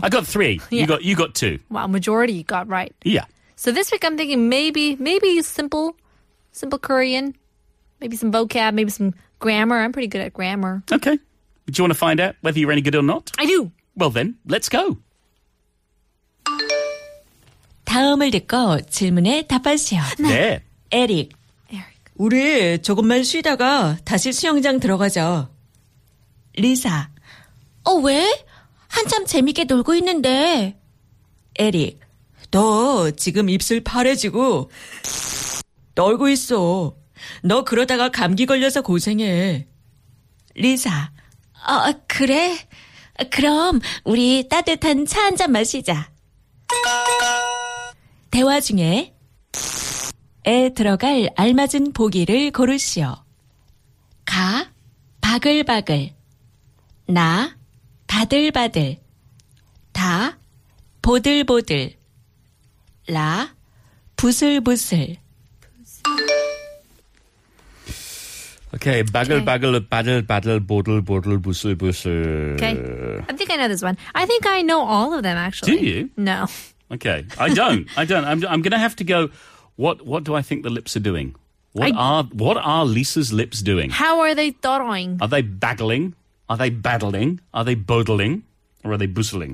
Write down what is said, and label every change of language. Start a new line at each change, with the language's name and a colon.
English: I got three. Yeah. You got two. Wow, majority you got right. Yeah. So this week I'm thinking maybe simple Korean, maybe some vocab, maybe some grammar. I'm pretty good at grammar. Okay. Do you want to find out whether you're any good or not? I do. Well then, let's go.
Korean: 다음을 듣고 질문에 답하시오. 네. 에릭. 우리 조금만 쉬다가 다시 수영장 들어가죠. 리사. 어, 왜? 한참 재밌게 놀고 있는데. 에릭. 너 지금 입술 파래지고 떨고 있어. 너 그러다가 감기 걸려서 고생해. 리사. 어, 그래? 그럼 우리 따뜻한 차 한잔 마시자. 대화 중에 에 들어갈 알맞은 보기를 고르시오. 가, 바글바글. 나, 바들바들. 다, 보들보들. 라, 부슬부슬.
English: Okay,
Korean: 바글바글, 바들바들, 보들보들, 부슬부슬.
English: Okay, I think I know this one. I think I know all of them, actually. Do you? No. Okay, I don't. I'm going to have to go, what do I think the lips are doing? What are Lisa's lips doing? How are they throwing? Are they baggling? Are they battling? Are they bodling? Or are they boozling?